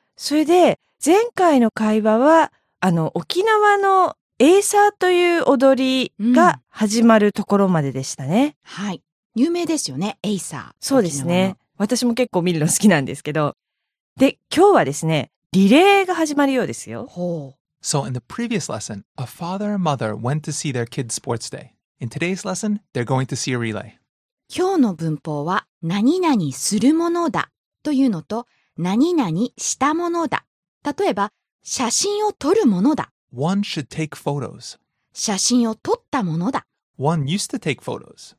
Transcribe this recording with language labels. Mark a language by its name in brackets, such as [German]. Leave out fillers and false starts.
[Japanese] それで前回の会話は沖縄のエーサーという踊りが始まるところまででしたね、うん、はい、有名ですよね、エーサー。そうですね、私も結構見るの好きなんですけど、で、今日はですね、リレーが始まるようですよ。ほう。 [English] So in the previous lesson, a father and mother went to see their kid's sports day. In today's lesson, they're going to see a relay. [Japanese] 今日の文法は何々するものだというのと何々したものだ。例えば、写真を撮るものだ。 [English] One should take photos. [Japanese] 写真を撮ったものだ。 [English] One used to take photos.